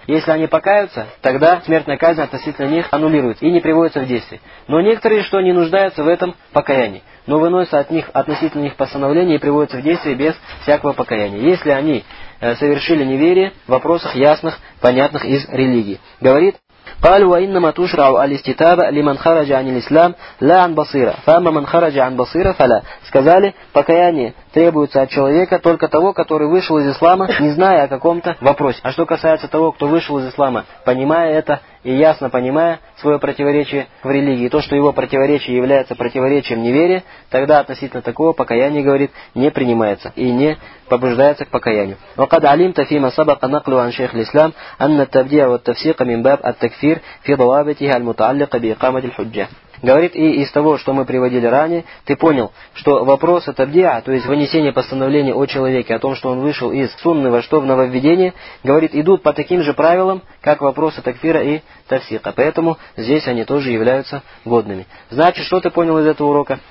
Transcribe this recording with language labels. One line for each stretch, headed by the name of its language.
Russian: Если они покаются, тогда смертная казнь относительно них аннулируется и не приводится в действие. Но некоторые, что не нуждаются в этом покаянии, но выносятся от них относительно их постановления и приводятся в действие без всякого покаяния. Если они совершили неверие в вопросах ясных, понятных из религии. Говорит,
Arabic: قالوا وإنما تشرع الاستتابة لمن خرج عن الإسلام لا عن بصيرة فأما من خرج عن بصيرة فلا.
Russian: Сказали, покаяние требуется от человека только того, который вышел из ислама, не зная о каком-то вопросе. А что касается того, кто вышел из ислама, понимая это и ясно понимая свое противоречие в религии, то, что его противоречие является противоречием неверия, тогда относительно такого покаяние, говорит, не принимается и не побуждается к покаянию.
Arabic: وقد علمت فيما سبق نقل عن شيخ الإسلام أن التبديع والتفسيق من باب التكفير في ضوابطها المتعلقة بإقامة الحجة.
Russian: Говорит, и из того, что мы приводили ранее, ты понял, что вопрос о табдиа, то есть вынесение постановления о человеке, о том, что он вышел из сунны, во что в нововведение, говорит, идут по таким же правилам, как вопросы такфира и тафсика. Поэтому здесь они тоже являются годными. Значит, что ты понял из этого урока?